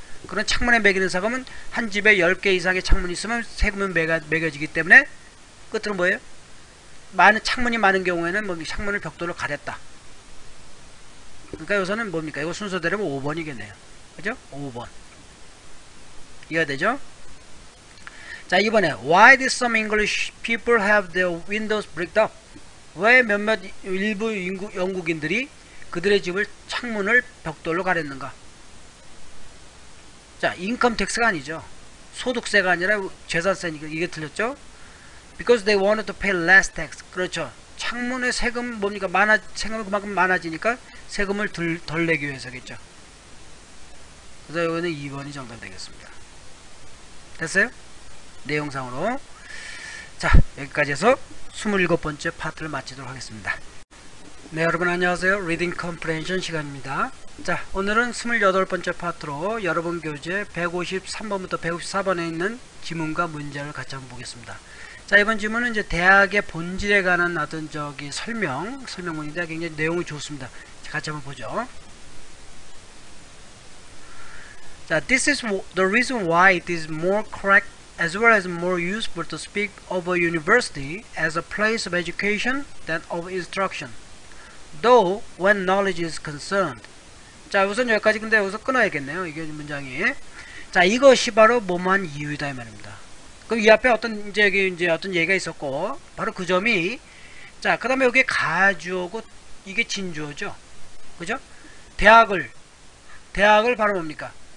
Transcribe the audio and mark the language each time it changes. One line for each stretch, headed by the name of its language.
Korean: 그런 창문에 매기는 세금은 한 집에 10개 이상의 창문이 있으면 세금은 매겨지기 때문에, 끝으로 뭐예요? 창문이 많은 경우에는 뭐 창문을 벽돌로 가렸다. 그러니까 여기서는 뭡니까? 이거 순서대로 5번이겠네요. 그죠? 5번. 이해가 되죠? 자, 이번에
English: Why did some English people have their windows bricked up?
Korean: 왜 몇몇 일부 영국인들이 그들의 집을 창문을 벽돌로 가렸는가? 자, income tax가 아니죠. 소득세가 아니라 재산세니까 이게 틀렸죠?
English: Because they wanted to pay less tax.
Korean: 그렇죠. 창문의 세금 뭡니까? 세금이 그만큼 많아지니까 세금을 덜 내기 위해서겠죠. 그래서 여기는 2번이 정답 되겠습니다. 됐어요? 내 영상으로. 자, 여기까지 해서 27번째 파트를 마치도록 하겠습니다. 네, 여러분 안녕하세요. Reading Comprehension 시간입니다. 자, 오늘은 28번째 파트로 여러분 교재 153번부터 154번에 있는 지문과 문제를 같이 한번 보겠습니다. 자, 이번 지문은 이제 대학의 본질에 관한 어떤 저기 설명문인데 굉장히 내용이 좋습니다. 자, 같이 한번 보죠. 자,
English: this is the reason why it is more correct as well as more useful to speak of a university as a place of education than of instruction. Though when knowledge is concerned.
Korean: 자, 우선 여기까지 근데 여기서 끊어야겠네요. 이게 문장이. 자, 이것이 바로 뭐만 이유다 이 말입니다. 그럼 이 앞에 어떤 이제 어떤 얘기가 있었고 바로 그 점이 자, 그다음에 여기 가주어고 이게 진주어죠. 그죠? 대학을 바로 뭡니까?